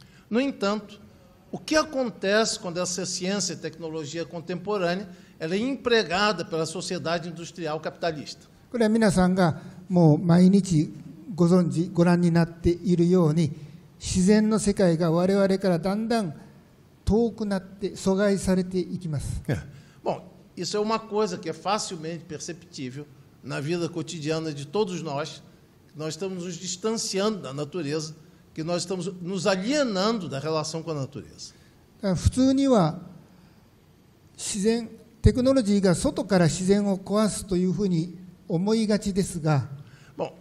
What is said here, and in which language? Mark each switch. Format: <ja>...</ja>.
<pt>No entanto, o que acontece quando essa ciência e tecnologia contemporânea ela é empregada pela sociedade industrial capitalista.</pt> <ja>これは皆さんがもう毎日ご存知ご覧になっているように自然の世界が我々からだんだん遠くなって阻害されていきます。</ja> <pt>Bom, isso é uma coisa que é facilmente perceptível na vida cotidiana de todos nós. Nós estamos nos distanciando da natureza, que nós estamos nos alienando da relação com a natureza. Bom,</pt>